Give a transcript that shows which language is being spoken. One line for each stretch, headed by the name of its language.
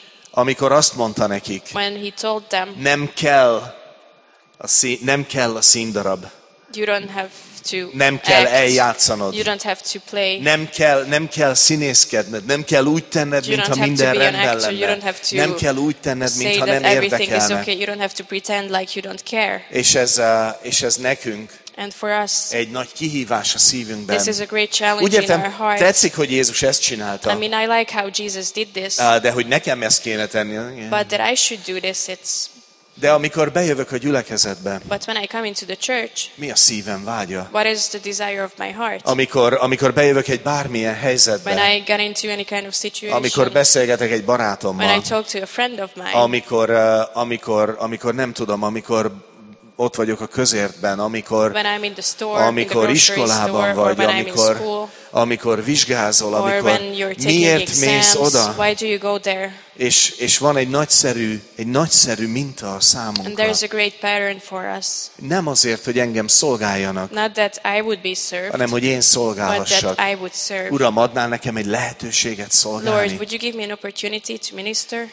Hungarian: Amikor azt mondta nekik, nem kell a színdarab.
English: You don't have to
Hungarian: nem kell
English: act.
Hungarian: Eljátszanod.
English: You don't have to play.
Hungarian: Nem kell színészkedned. Nem kell úgy tenned, mintha minden rendben lenne.
English: You don't have to
Hungarian: nem kell úgy tenned, mintha nem érdekelne.
English: Okay. You don't have to pretend like you don't care.
Hungarian: És ez nekünk
English: and for us,
Hungarian: egy nagy kihívás a szívünkben.
English: This is a great challenge úgy
Hungarian: értem,
English: in our hearts.
Hungarian: Tetszik, hogy Jézus ezt csinálta.
English: I mean, I like how Jesus did this.
Hungarian: De hogy nekem ezt kéne tenni. Yeah.
English: But that I should do this, it's
Hungarian: De amikor bejövök a gyülekezetbe,
English: but when I come into the church,
Hungarian: mi a szívem vágya?
English: What is the desire of my heart?
Hungarian: Amikor bejövök egy bármilyen helyzetbe,
English: when I get into any kind of situation,
Hungarian: amikor beszélgetek egy barátommal,
English: when I talk to a friend of mine,
Hungarian: amikor nem tudom, amikor ott vagyok a közértben, amikor iskolában vagy, amikor vizsgázol, amikor miért mész oda? És van egy nagyszerű minta a számunkra.
English: And there is a great pattern for us.
Hungarian: Nem azért, hogy engem szolgáljanak,
English: not that I would be served,
Hungarian: hanem hogy én szolgálhassak.
English: But that I would serve.
Hungarian: Uram, adnál nekem egy lehetőséget szolgálni?
English: Lord, would you give me an opportunity to minister?